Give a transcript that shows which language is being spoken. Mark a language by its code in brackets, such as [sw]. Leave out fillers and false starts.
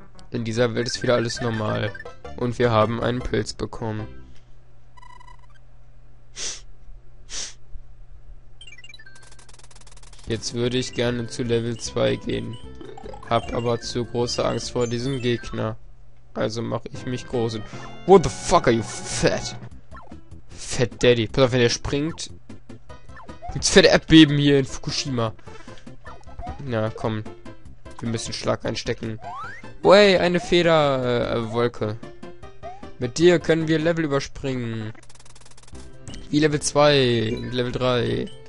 [de] In dieser Welt ist wieder alles normal. Und wir haben einen Pilz bekommen. Jetzt würde ich gerne zu Level 2 gehen. Hab aber zu große Angst vor diesem Gegner. Also mache ich mich groß. [en] Und what the fuck are you fat? Fat Daddy. [de] Pass auf, wenn der springt. Jetzt fette Erdbeben hier in Fukushima. Na komm. Wir müssen Schlag einstecken. Wey, eine Feder, Wolke. Mit dir können wir Level überspringen. Wie Level 2 und Level 3.